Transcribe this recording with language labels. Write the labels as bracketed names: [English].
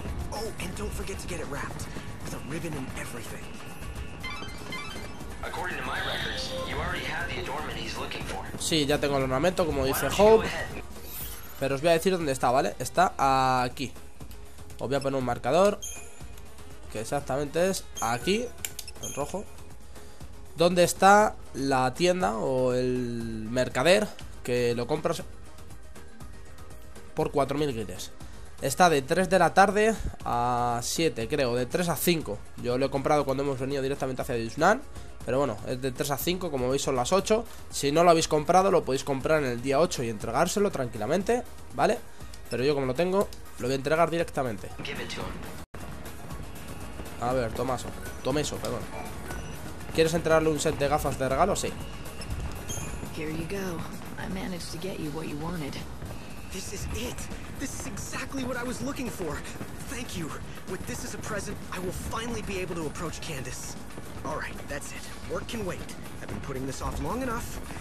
[English] Oh, and don't forget to get it wrapped, with a ribbon and everything. According to my records, you already have the adornment he's looking for. [Spanish] Sí, ya tengo el ornamento, como dice Hope. Pero os voy a decir dónde está, ¿vale? Está aquí. Os voy a poner un marcador, que exactamente es aquí, en rojo. ¿Dónde está la tienda o el mercader que lo compras por 4.000 guiles? Está de 3 de la tarde a 7, creo, de 3 a 5. Yo lo he comprado cuando hemos venido directamente hacia Yuuzhan, pero bueno, es de 3 a 5, como veis son las 8. Si no lo habéis comprado, lo podéis comprar en el día 8 y entregárselo tranquilamente, ¿vale? Pero yo como lo tengo, lo voy a entregar directamente. A ver, Tomeso, perdón. ¿Quieres entregarle un set de gafas de regalo? Sí. [English] Here you go. I managed to get you what you wanted. This is it. This is exactly what I was looking for. Thank you. With this as a present, I will finally be able to approach Candace. All right, that's it. Work can wait. I've been putting this off long enough.